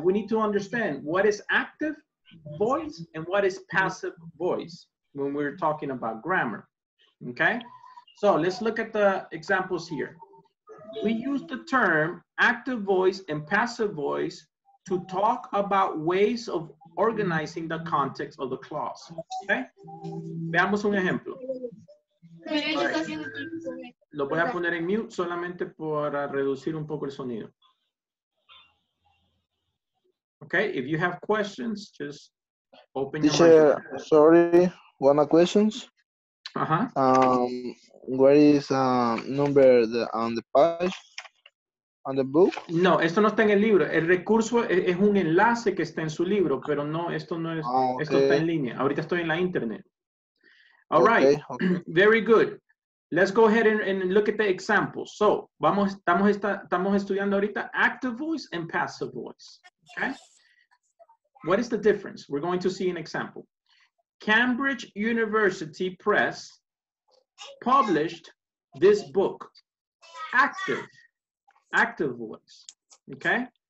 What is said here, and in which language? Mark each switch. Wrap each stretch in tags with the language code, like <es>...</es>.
<en>We need to understand what is active voice and what is passive voice when we're talking about grammar. Okay? So, let's look at the examples here. We use the term active voice and passive voice to talk about ways of organizing the context of the clause.</en> <es>Okay? Veamos un ejemplo.</es> <en>Right.</en> <es>Lo voy a poner en mute solamente para reducir un poco el sonido.</es> <en>Okay, if you have questions, just open your mic. Sorry, one of my questions. Uh-huh. Where is number the on the page on the book?</en> <es>No, esto no está en el libro. El recurso es un enlace que está en su libro, pero no, esto no es, okay. Esto está en línea. Ahorita estoy en la internet.</es> <en>All right. Okay. Very good. Let's go ahead and look at the examples. So,</en> <es>estamos estudiando ahorita</es> <en>active voice and passive voice, okay? What is the difference? We're going to see an example. Cambridge University Press published this book, active voice, okay?</en>